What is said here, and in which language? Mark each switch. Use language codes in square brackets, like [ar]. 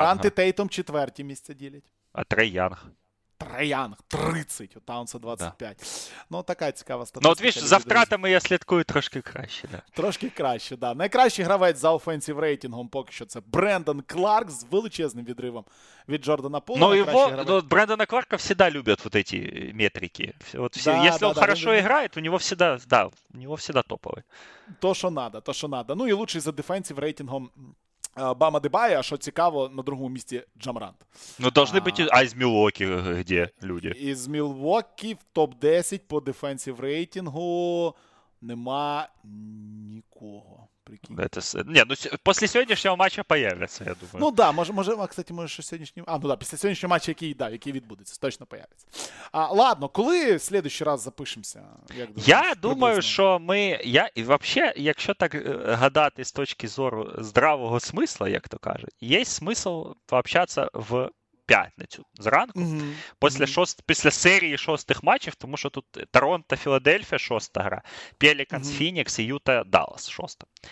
[uk] Марант і Тейтом четверті місця ділять. А Трей Янг? Трей Янг 30, у Таунса 25. Да. Ну, така цікава статистика. Ну, от віж, за втратами я слідкую трошки краще, да. Трошки краще, да. Найкращий гравець за офенсів рейтингом поки що це Брендон Кларк з величезним відривом від Джордана Пула. [ru] Ну, його, Брендона Кларка всегда любят вот эти метрики. Вот все, да, если да, он да, хорошо играет, у него всегда, да, у него всегда топовый. [uk] То, що надо, то, що надо. Ну, і лучший за дефенсів рейтингом Бама Дебая, а що цікаво, на другому місці Джамарант. Ну, должны бути, а із Мілвокі, де люди? Із Мілвокі в топ-10 по дефенсів рейтингу нема нікого. Прикинь. Это, не, ну, після сьогоднішнього матча появляться, я думаю. Ну, да, може, а, кстати, може, що сьогоднішнього... А, ну, да, після сьогоднішнього матча, який, да, який відбудеться, точно появляться. А, ладно, коли следующий раз запишемося? Я думаю, що ми... Я, і вообще, якщо так гадати з точки зору здравого смисла, як то кажуть, є смисл пообщатися в п'ятницю зранку, після серії шостих матчів, тому що тут Торонто, Філадельфія, шоста гра, Пеліканс, Фінікс і Юта, Даллас, шоста.